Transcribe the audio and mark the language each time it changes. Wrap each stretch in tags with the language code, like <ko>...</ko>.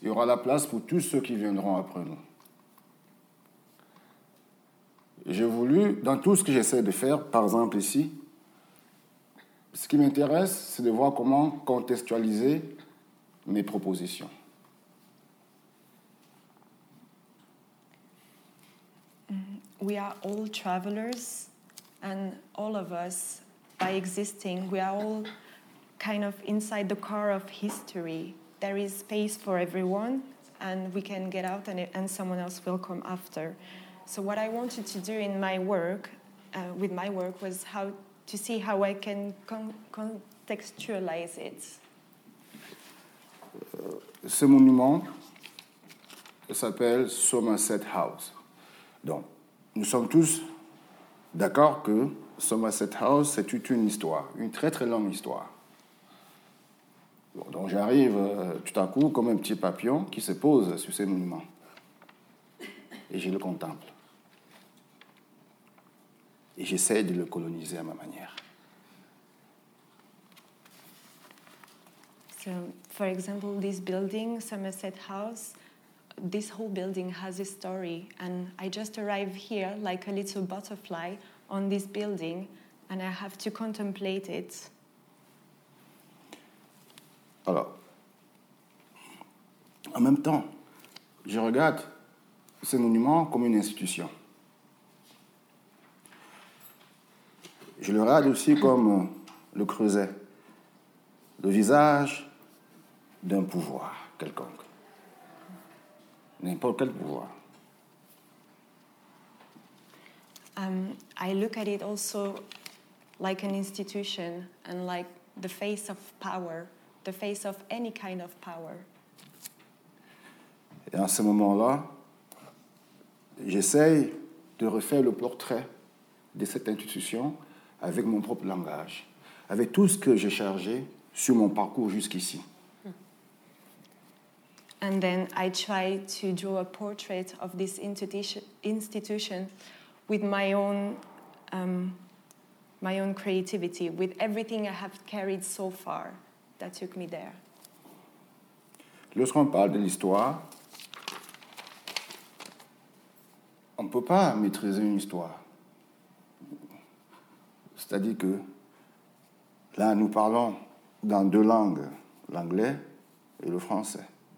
<fr>Il y aura la place pour tous ceux qui viendront après nous. J'ai voulu, dans tout ce que j'essaie de faire, par exemple ici, ce qui m'intéresse, c'est de voir comment contextualiser mes propositions.</fr> <en>We are all travelers, and all of us, by existing, we are all kind of inside the car of history. There is space for everyone, and we can get out, and someone else will come after. So what I wanted to do in my work, with my work, was how to see how I can contextualize it.</en> <fr>Ce monument s'appelle Somerset House. Donc, nous sommes tous d'accord que Somerset House, c'est toute une histoire, une très très longue histoire. Bon, donc j'arrive tout à coup comme un petit papillon qui se pose sur ces monuments. Et je le contemple. Et j'essaie de le coloniser à ma manière.</fr> <en>So, for example, this building, Somerset House, this whole building has a story, and I just arrived here like a little butterfly on this building, and I have to contemplate it.</en> <fr>Alors, en même temps, je regarde ce monument comme une institution. Je le regarde aussi comme le creuset, le visage d'un pouvoir quelconque. N'importe quel pouvoir.</fr> <en>I look at it also like an institution and like the face of power, the face of any kind of power.</en> <fr>Et en ce moment-là, j'essaye de refaire le portrait de cette institution avec mon propre langage, avec tout ce que j'ai chargé sur mon parcours jusqu'ici.</fr> <en>And then I try to draw a portrait of this institution with my own creativity, with everything I have carried so far that took me there.</en> <fr>Lorsqu'on parle de l'histoire, on ne peut pas maîtriser une histoire. C'est-à-dire que là, nous parlons dans deux langues, l'anglais et le français.</fr>